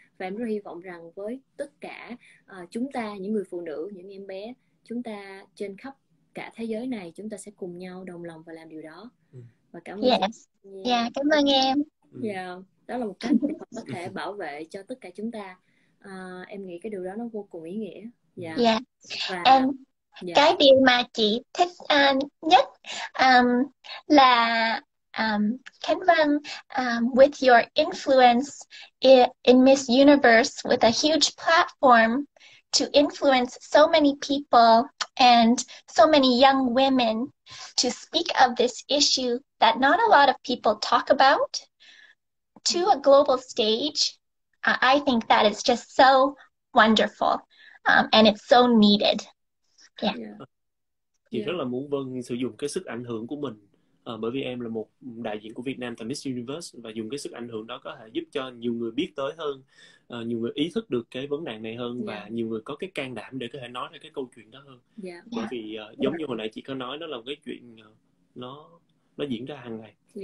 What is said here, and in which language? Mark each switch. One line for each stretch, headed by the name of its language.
Vietnamese: Và em rất hy vọng rằng với tất cả chúng ta, những người phụ nữ, những em bé, chúng ta trên khắp cả thế giới này, chúng ta sẽ cùng nhau đồng lòng và làm điều đó. Và cảm ơn chị. Dạ, cảm ơn em. Dạ, đó là một cách để có thể bảo vệ cho tất cả chúng ta. Em nghĩ cái điều đó nó vô cùng ý nghĩa. Dạ. Cái điều mà chị thích nhất là Khánh Vân,
English: with your influence in Miss Universe, with a huge platform to influence so many people and so many young women to speak of this issue that not a lot of people talk about to a global stage, I think that is just so wonderful, and it's so needed.
Vietnamese: Chị rất là muốn Vân sử dụng cái sức ảnh hưởng của mình, bởi vì em là một đại diện của Việt Nam tại Miss Universe, và dùng cái sức ảnh hưởng đó có thể giúp cho nhiều người biết tới hơn, nhiều người ý thức được cái vấn nạn này hơn, và nhiều người có cái can đảm để có thể nói ra cái câu chuyện đó hơn. Bởi vì giống như hồi nãy chị có nói, nó là một cái chuyện nó diễn ra hàng ngày.